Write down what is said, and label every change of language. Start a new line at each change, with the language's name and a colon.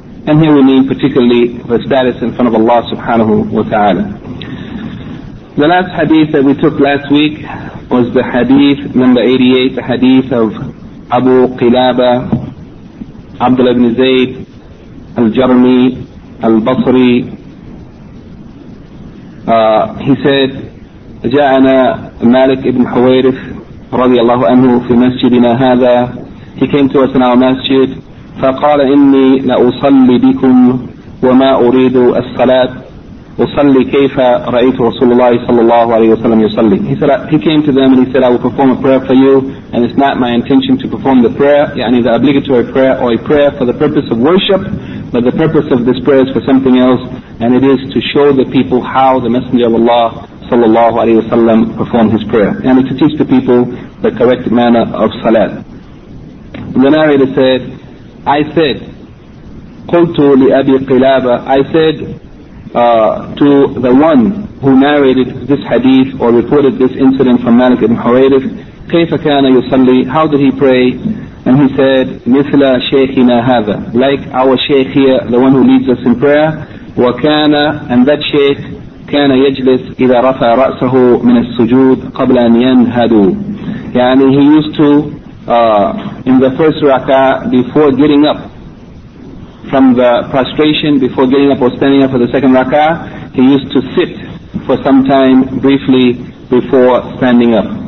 English: And here we mean particularly the status in front of Allah subhanahu wa ta'ala. The last hadith that we took last week was the hadith number 88, the hadith of Abu Qilaba, Abdullah ibn Zayd, Al-Jarmi, Al-Basri. He said,
Arabic: جاءنا مالك ibn Huwairith رضي الله عنه في مسجدنا هذا.
English: He came to us in our masjid.
Arabic: فقال إني لأصلي بكم وما أريد الصلاة. وصلي كيف رأيت رسول الله صلى الله عليه وسلم يصلي.
English: He said, he came to them and he said, I will perform a prayer for you, and it's not my intention to perform the prayer, يعني the obligatory prayer or a prayer for the purpose of worship, but the purpose of this prayer is for something else, and it is to show the people how the Messenger of Allah صلى الله عليه وسلم performed his prayer, and to teach the people the correct manner of salat. The narrator said, I said,
Arabic: قلت لأبي قلابة,
English: I said to the one who narrated this hadith or reported this incident from Malik ibn Huwairith,
Arabic: كيف كان يصلي,
English: how did he pray? And he said,
Arabic: مثل شيخنا هذا,
English: like our sheikh here, the one who leads us in prayer.
Arabic: وكان,
English: and that sheikh,
Arabic: كان يجلس إذا رفع رأسه من السجود قبل أن ينهدو.
English: يعني he used to in the first rak'ah before getting up from the prostration, before getting up or standing up for the second rak'ah, he used to sit for some time briefly before standing up.